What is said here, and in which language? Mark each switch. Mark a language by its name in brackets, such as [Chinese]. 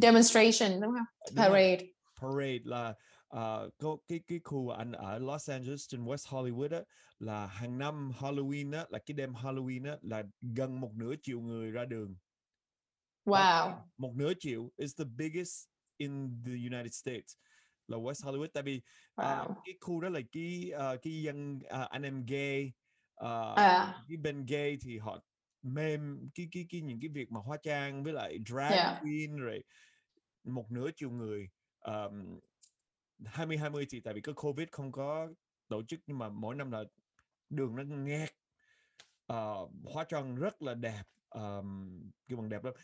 [Vietnamese] Demonstration đúng không? [English] Parade. [Vietnamese] Đúng, parade là có cái khu anh ở Los Angeles trên West Hollywood á, là hàng năm Halloween á, là cái đêm Halloween á, là gần một nửa triệu người ra đường. Wow. Một nửa triệu [English] is the biggest in the United States. [Vietnamese] Là West Hollywood. Tại vì cái khu đó là cái dân anh em gay, cái bên gay thì họ mềm cái những cái việc mà hóa trang với lại drag queen, right? Một nửa triệu người. 2020 thì tại vì có COVID không có tổ chức, nhưng mà mỗi năm là đường nó ngẹt, hóa trang rất là đẹp. Cái bằng đẹp lắm.